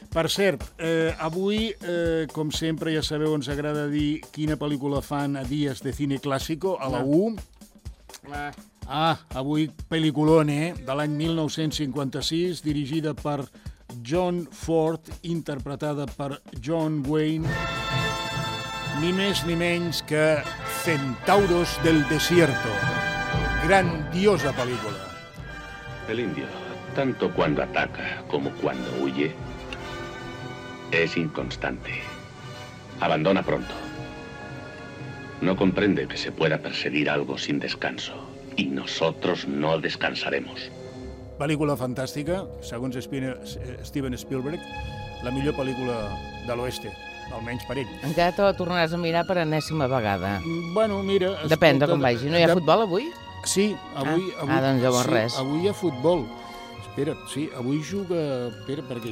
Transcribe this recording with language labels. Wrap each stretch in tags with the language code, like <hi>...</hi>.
<ca>Per cert, avui, com sempre, ja sabeu, ens agrada dir quina pel·lícula fan a Dies de Cine Clàssico, a la 1. Avui, pel·liculón, De l'any 1956, dirigida per John Ford, interpretada per John Wayne. Ni més ni menys que...</ca> <es>Centauros del desierto. Grandiosa película. El indio, tanto cuando ataca como cuando huye, es inconstante. Abandona pronto. No comprende que se pueda perseguir algo sin descanso. Y nosotros no descansaremos.</es> <ca>Pel·lícula fantàstica, segons Steven Spielberg, la millor pel·lícula de l'Oeste, almenys per ell. Encara te la tornaràs a mirar per enèsima vegada. Bueno, mira... Depèn de com vagi. No hi ha futbol avui? Sí, avui... Ah, doncs llavors sí, res. Avui hi ha futbol. Espera, sí, avui juga... Espera, perquè</ca>